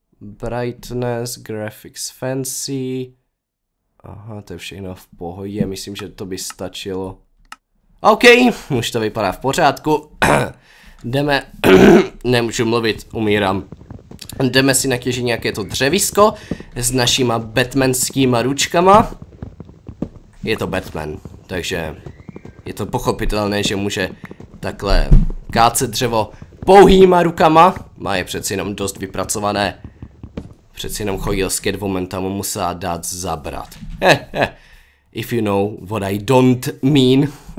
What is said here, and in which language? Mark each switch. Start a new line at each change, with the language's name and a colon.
English: Brightness, graphics fancy.
Czech: Aha, to je všechno v pohodě, myslím, že to by stačilo. OK, už to vypadá v pořádku. Jdeme, nemůžu mluvit, umírám. Jdeme si natěžit nějaké to dřevisko s našima batmanskýma ručkama. Je to Batman, takže je to pochopitelné, že může takhle kácet dřevo pouhýma rukama. Má je přeci jenom dost vypracované. Přeci jenom chodil s Catwomanem, musel dát zabrat.
English: If you know what I don't mean.